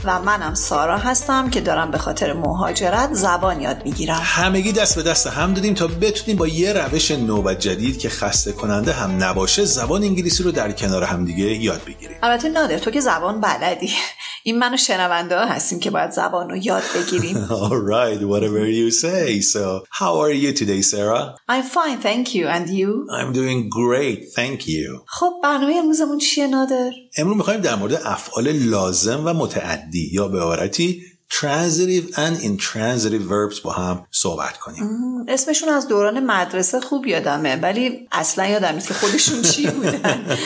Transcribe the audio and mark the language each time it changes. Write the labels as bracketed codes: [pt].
[fa] و منم سارا هستم که دارم به خاطر مهاجرت زبان یاد می‌گیرم. همگی دست به دست هم دادیم تا بتونیم با یه روش نو و جدید که خسته کننده هم نباشه زبان انگلیسی رو در کنار هم دیگه یاد بگیریم. البته نادر تو که زبان بلدی. این من و شنونده ها هستیم که باید زبان رو یاد بگیریم. [en] Alright, whatever you say. So, how are you today, Sarah? I'm fine, thank you. And you? I'm doing great, thank you. [fa] خب، برنامه امروزمون چیه نادر؟ امروز میخواییم در مورد افعال لازم و متعدی یا به عبارتی [en] transitive and intransitive verbs [fa] با هم صحبت کنیم. اسمشون از دوران مدرسه خوب یادمه، ولی اصلا یادم نیست که خودشون چی بودن.